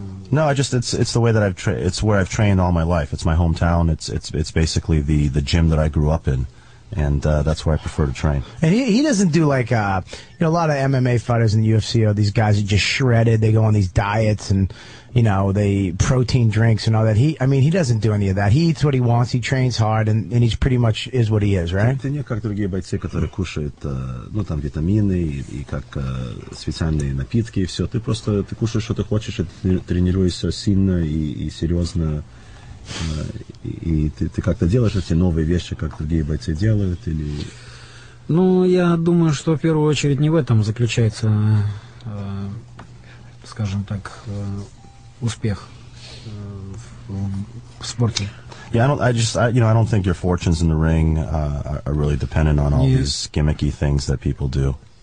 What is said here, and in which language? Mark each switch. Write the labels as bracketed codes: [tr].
[en] No, I just it's the way that I've it's where I've trained all my life. It's my hometown. It's basically the gym that I grew up in, and that's where I prefer to train. And he doesn't do like you know, a lot of MMA fighters in the UFC. Are these guys are just shredded. They go on these diets and, you know, they protein drinks and all that. He doesn't do any of that. He eats what he wants. He trains hard, and he's pretty much is what he is, right? [ru] Ты не как другие бойцы, которые кушают, ну там витамины и как специальные напитки и все. Ты просто ты кушаешь, что ты хочешь, и тренируешься сильно и серьезно. И ты как-то делаешь эти новые вещи, как другие бойцы делают, или? Ну, я думаю, что в первую очередь не в этом заключается, скажем так. [en] Yeah, I don't think your fortunes in the ring are really dependent on all these gimmicky things that people do.